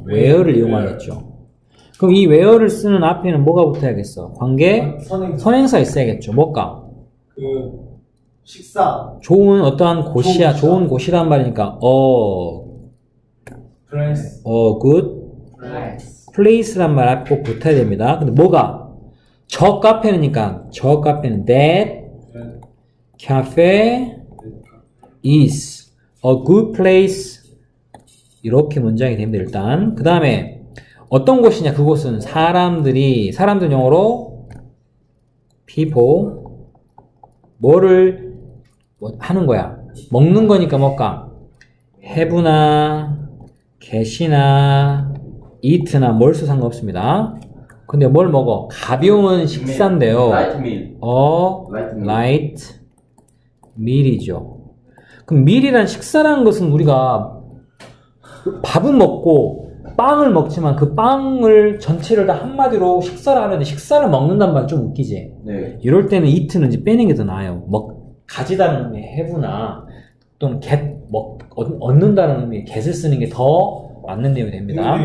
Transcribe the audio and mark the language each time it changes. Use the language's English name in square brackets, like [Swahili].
[Korean] where를 이용하겠죠. 그럼 이 where를 쓰는 앞에는 뭐가 붙어야겠어? 관계? 선행사. 선행사 있어야겠죠. 뭐가? 그 식사. 좋은 어떠한 곳이야? 좋은 곳이란 말이니까 어. [English] place. 어 good. place. [Korean] place란 말 앞에 꼭 붙어야 됩니다. 근데 뭐가? 저 카페니까 저 카페는 [English] that cafe is a good place. [Korean] 이렇게 문장이 됩니다. 일단 그 다음에 어떤 곳이냐? 그곳은 사람들이, 사람들 영어로 people 뭐를 뭐 하는 거야? 먹는 거니까 뭘까? have나 get나 eat나 뭘 써 상관없습니다. 근데 뭘 먹어? 가벼운 식사인데요. [English] Light meal. [Korean] 어? Light meal이죠. 그럼 meal이란 식사라는 것은 우리가 밥은 먹고 빵을 먹지만 그 빵을 전체를 다 한마디로 식사를 하는데 식사를 먹는단 말 좀 웃기지? 네. 이럴 때는 eat는 이제 빼는 게 더 나아요. 먹, 가지다는 의미의 have나 또는 get, 먹, 얻는다는 의미의 get을 쓰는 게 더 맞는 내용이 됩니다.